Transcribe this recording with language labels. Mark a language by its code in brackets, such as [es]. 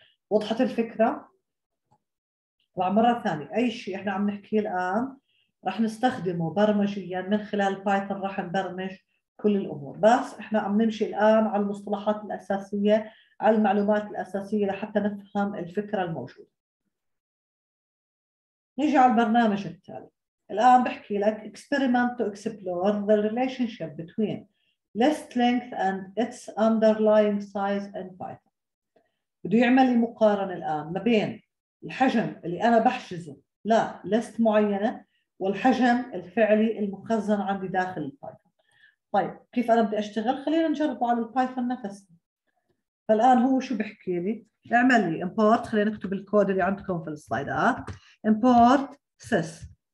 [ar] وضحت الفكرة؟ مرة ثانية، أي شيء إحنا عم نحكيه الآن رح نستخدمه برمجياً من خلال بايثون، رح نبرمج كل الأمور، بس إحنا عم نمشي الآن على المصطلحات الأساسية، على المعلومات الأساسية لحتى نفهم الفكرة الموجودة. نيجي على البرنامج التالي. الآن بحكي لك [en] experiment to explore the relationship between list length and its underlying size in Python. [ar] بده يعمل لي مقارنة الآن ما بين الحجم اللي أنا بحجزه لا list معينة والحجم الفعلي المخزن عندي داخل البايثون. طيب كيف أنا بدي أشتغل؟ خلينا نجربه على البايثون نفسه. فالآن هو شو بحكي لي؟ اعمل لي import، خلينا نكتب الكود اللي عندكم في السلايدات، import sys.